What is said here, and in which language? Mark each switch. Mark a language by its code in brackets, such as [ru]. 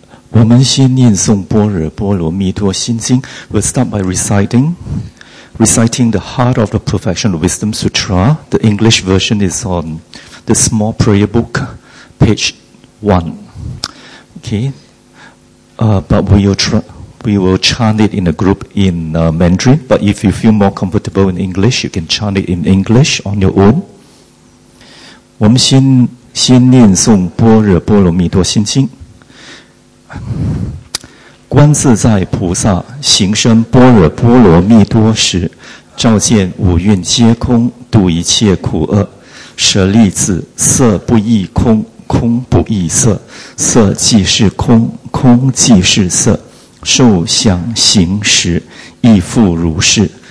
[zh] 我们先念诵《般若波罗蜜多心经》。 [en] We'll start by reciting the Heart of the Perfection Wisdom Sutra. The English version is on the Small Prayer Book, page 1. Okay. But we will chant it in a group in Mandarin. But if you feel more comfortable in English, you can chant it in English on your own. [zh] 我们先念诵《般若波罗蜜多心经》。观自在菩萨行深般若波罗蜜多时，照见五蕴皆空，度一切苦厄，舍利子，色不异空，空不异色，色即是空，空即是色，受想行识亦复如是。